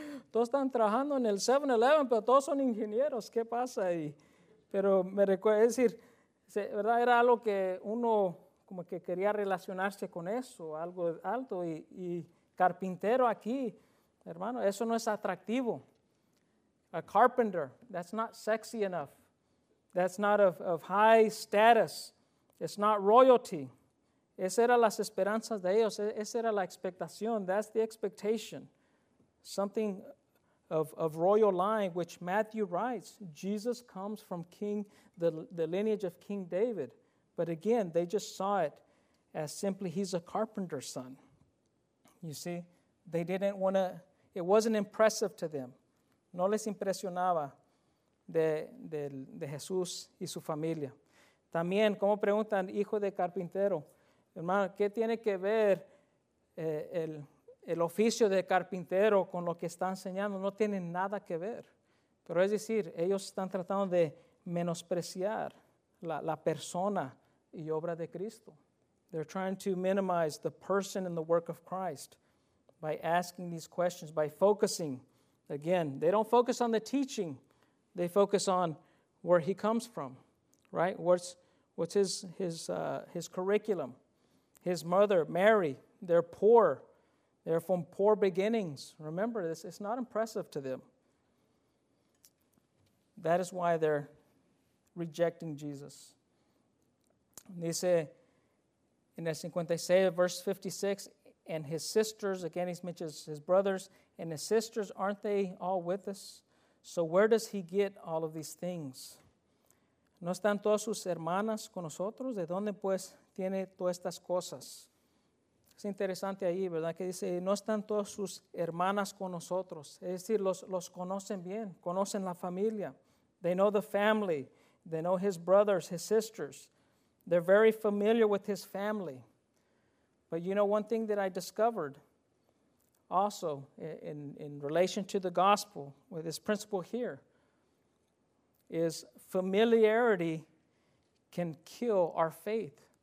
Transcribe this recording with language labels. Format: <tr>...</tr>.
<es>Todos están trabajando en el 7-Eleven, pero todos son ingenieros. ¿Qué pasa ahí? Pero me recuerdo, es decir, ¿verdad?, era algo que uno como que quería relacionarse con eso, algo alto. Y carpintero aquí, hermano, eso no es atractivo.</es> <en>A carpenter, that's not sexy enough. That's not of high status. It's not royalty.</en> <es>Esas eran las esperanzas de ellos. Esa era la expectación.</es> <en>That's the expectation. Something of royal line, which Matthew writes: Jesus comes from the lineage of King David. But again, they just saw it as simply, he's a carpenter's son. You see, they didn't want to, it wasn't impressive to them.</en> <es>No les impresionaba de Jesús y su familia. También, como preguntan, hijo de carpintero. Hermano, ¿qué tiene que ver el oficio de carpintero con lo que está enseñando? No tiene nada que ver. Pero es decir, ellos están tratando de menospreciar la persona y obra de Cristo.</es> <en>They're trying to minimize the person and the work of Christ by asking these questions, by focusing. Again, they don't focus on the teaching. They focus on where he comes from, right? What's his curriculum? His mother, Mary, they're poor. They're from poor beginnings. Remember, it's not impressive to them. That is why they're rejecting Jesus.</en> <es>Dice en el 56,</es> <en>verse 56, and his sisters, again, he mentions his brothers, and his sisters, aren't they all with us? So where does he get all of these things?</en> <es>¿No están todas sus hermanas con nosotros? ¿De dónde, pues, tiene todas estas cosas? Es interesante ahí, ¿verdad?, que dice: no están todas sus hermanas con nosotros. Es decir, los conocen bien, conocen la familia.</es> <en>They know the family. They know his brothers, his sisters. They're very familiar with his family. But you know one thing that I discovered also in relation to the gospel, with this principle here, is familiarity can kill our faith.</en>